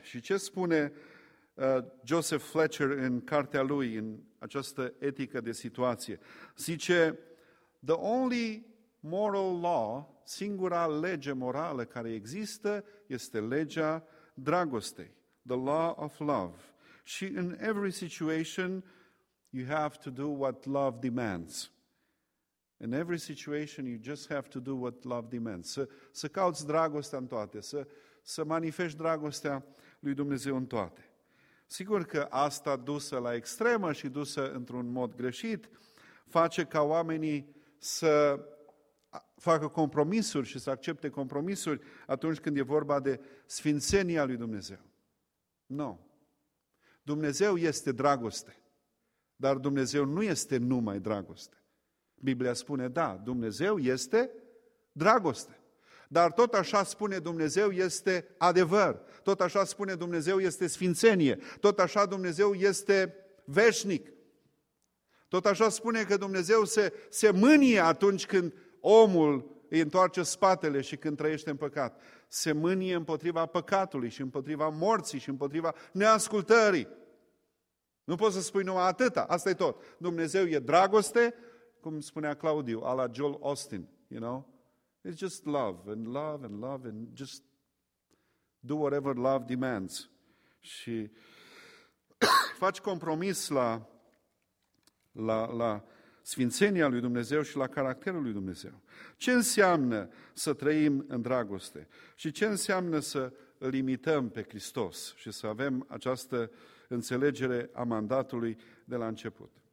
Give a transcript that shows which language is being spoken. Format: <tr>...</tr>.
<ro>Și ce spune Joseph Fletcher în cartea lui, în această etică de situație. Zice,</ro> <en>the only moral law,</en> <ro>singura lege morală care există, este legea dragostei,</ro> <en>the law of love. Și in every situation, you have to do what love demands. In every situation, you just have to do what love demands.</en> <ro>Să cauți dragostea în toate, să manifesti dragostea lui Dumnezeu în toate. Sigur că asta dusă la extremă și dusă într-un mod greșit, face ca oamenii să facă compromisuri și să accepte compromisuri atunci când e vorba de sfințenia lui Dumnezeu. Nu. Dumnezeu este dragoste, dar Dumnezeu nu este numai dragoste. Biblia spune, da, Dumnezeu este dragoste. Dar tot așa spune Dumnezeu este adevăr. Tot așa spune Dumnezeu este sfințenie. Tot așa Dumnezeu este veșnic. Tot așa spune că Dumnezeu se mânie atunci când omul îi întoarce spatele și când trăiește în păcat. Se mânie împotriva păcatului și împotriva morții și împotriva neascultării. Nu poți să spui numai atâta, asta e tot. Dumnezeu e dragoste, cum spunea Claudiu, a la Joel Austin,</ro> <en>you know? It's just love, and love, and love, and just do whatever love demands.</en> <ro>Și faci compromis la sfințenia lui Dumnezeu și la caracterul lui Dumnezeu. Ce înseamnă să trăim în dragoste? Și ce înseamnă să limităm pe Hristos și să avem această înțelegere a mandatului de la început?</ro>